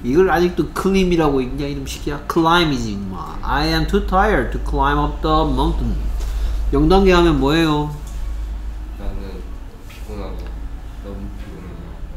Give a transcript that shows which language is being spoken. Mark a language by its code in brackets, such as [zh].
[ko] 이걸 아직도 클림이라고 읽냐 이놈 시키야? 클라임이지 인마. [en] I am too tired to climb up the mountain. [ko] 0단계 하면 뭐예요? 나는 피곤하고 너무 피곤해요.